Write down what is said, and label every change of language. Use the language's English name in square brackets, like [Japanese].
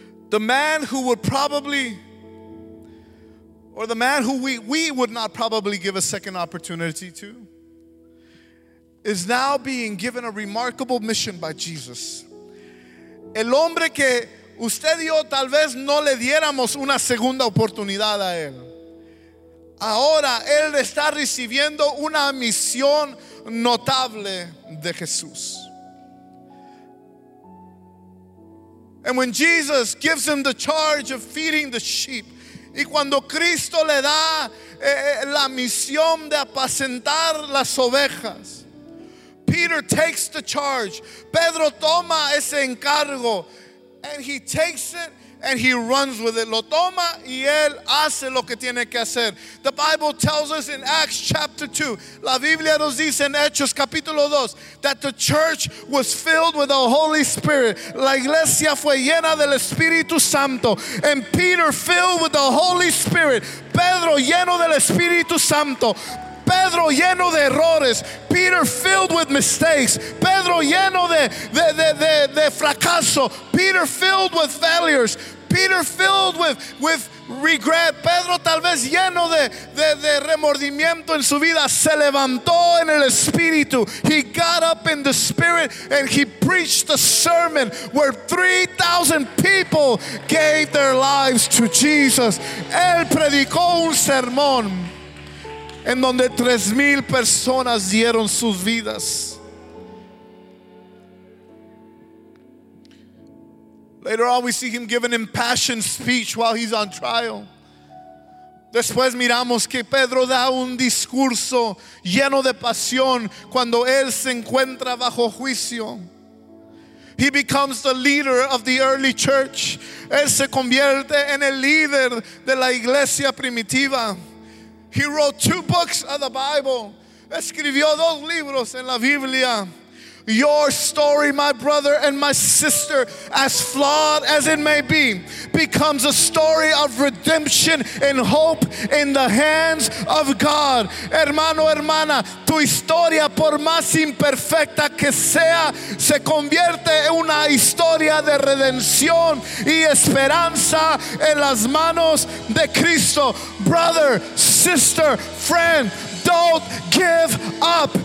[English] The man who would probably, or the man who we would not probably give a second opportunity to, is now being given a remarkable mission by Jesus. [Spanish] El hombre que usted y yo tal vez no le diéramos una segunda oportunidad a él. Ahora él está recibiendo una misión notable de Jesús. [English] And when Jesus gives him the charge of feeding the sheep, [Spanish] y cuando Cristo le da la misión de apacentar las ovejas, [English] Peter takes the charge. [Spanish] Pedro toma ese encargo, [English] and he takes it and he runs with it. [Spanish] Lo toma y él hace lo que tiene que hacer. [English] The Bible tells us in Acts chapter 2, [Spanish] la Biblia nos dice en Hechos capítulo 2, [English] that the church was filled with the Holy Spirit. [Spanish] La iglesia fue llena del Espíritu Santo. [English] And Peter filled with the Holy Spirit. [Spanish] Pedro lleno del Espíritu Santo. Pedro lleno de errores. [English] Peter filled with mistakes. [Spanish] Pedro lleno de fracaso. [English] Peter filled with failures. Peter filled with regret. [Spanish] Pedro tal vez lleno de remordimiento en su vida. Se levantó en el Espíritu. [English] He got up in the Spirit and he preached a sermon where 3,000 people gave their lives to Jesus. [Spanish] Él predicó un sermón en donde 3,000 personas dieron sus vidas. [English] Later on, we see him give an impassioned speech while he's on trial. [Spanish] Después miramos que Pedro da un discurso lleno de pasión cuando él se encuentra bajo juicio. [English] He becomes the leader of the early church. [Spanish] Él se convierte en el líder de la iglesia primitiva. [English] He wrote 2 books of the Bible. [Spanish] Escribió 2 libros en la Biblia. [English] Your story, my brother and my sister, as flawed as it may be, becomes a story of redemption and hope in the hands of God. [Spanish] Hermano, hermana, tu historia, por más imperfecta que sea, se convierte en una historia de redención y esperanza en las manos de Cristo. [English] Brother, sister, friend, don't give up.